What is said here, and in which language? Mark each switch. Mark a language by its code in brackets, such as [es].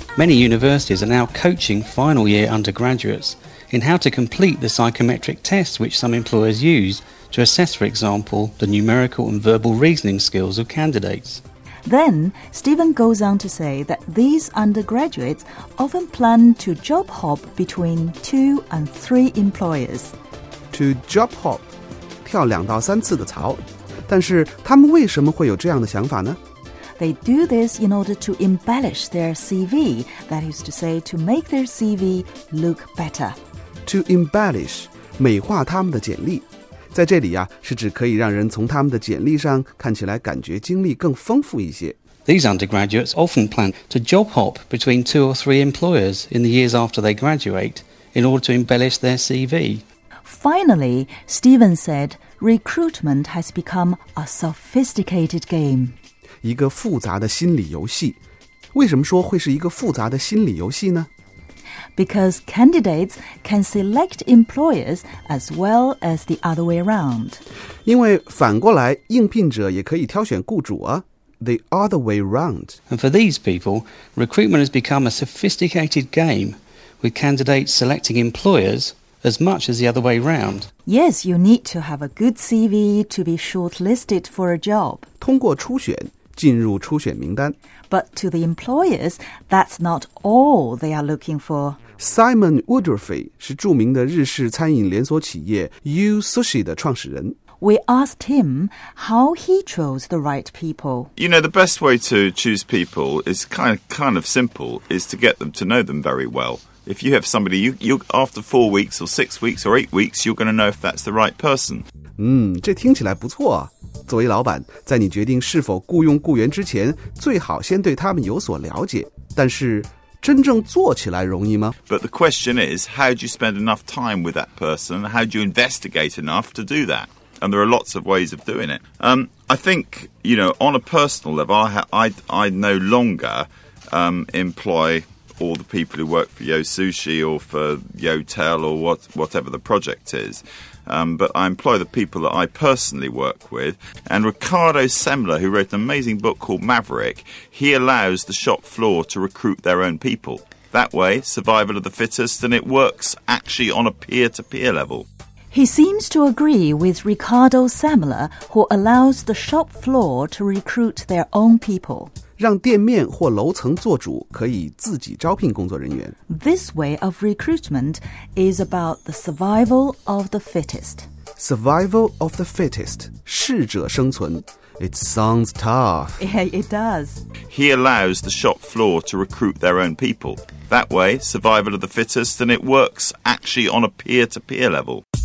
[en] Many universities are now coaching final year undergraduates in how to complete the psychometric tests which some employers use to assess, for example, the numerical and verbal reasoning skills of candidates. Then, Stephen goes on to say that these undergraduates often plan to job hop between two and three employers. To job hop, [zh] 跳两到三次的槽。但是他们为什么会有这样的想法呢？ [en] They do this in order to embellish their CV, that is to say, to make their CV look better. To embellish, [zh] 美化他们的简历。在这里啊，是指可以让人从他们的简历上看起来感觉经历更丰富一些。 [en] These undergraduates often plan to job hop between two or three employers in the years after they graduate in order to embellish their CV. Finally, Stephen said, recruitment has become a sophisticated game. [zh] 一个复杂的心理游戏。为什么说会是一个复杂的心理游戏呢？ [en] Because candidates can select employers as well as the other way around. [zh] 因为反过来，应聘者也可以挑选雇主啊。 [en] The other way around. And for these people, recruitment has become a sophisticated game, with candidates selecting employers... as much as the other way round. Yes, you need to have a good CV to be shortlisted for a job. [zh] 通过初选进入初选名单。 [en] But to the employers, that's not all they are looking for. [zh] Simon Woodruff 是著名的日式餐饮连锁企业 U Sushi 的创始人。 [en] We asked him how he chose the right people. You know, the best way to choose people is kind of simple, is to get them to know them very well. If you have somebody, you after 4 weeks or 6 weeks or 8 weeks, you're going to know if that's the right person. [zh] 这听起来不错啊。作为老板，在你决定是否雇佣雇员之前，最好先对他们有所了解。但是，真正做起来容易吗？ [en] But the question is, how do you spend enough time with that person? How do you investigate enough to do that? And there are lots of ways of doing it. I think, you know, on a personal level, I no longer employ... all the people who work for Yo Sushi or for Yotel or whatever the project is. But I employ the people that I personally work with. And Ricardo Semler, who wrote an amazing book called Maverick, he allows the shop floor to recruit their own people. That way, survival of the fittest, and it works actually on a peer-to-peer level. He seems to agree with Ricardo Semler, who allows the shop floor to recruit their own people. [zh] 让店面或楼层做主可以自己招聘工作人员。 [en] This way of recruitment is about the survival of the fittest. Survival of the fittest, [zh] 适者生存。 [en] It sounds tough. Yeah, it does. He allows the shop floor to recruit their own people. that way, survival of the fittest, and it works actually on a peer-to-peer level.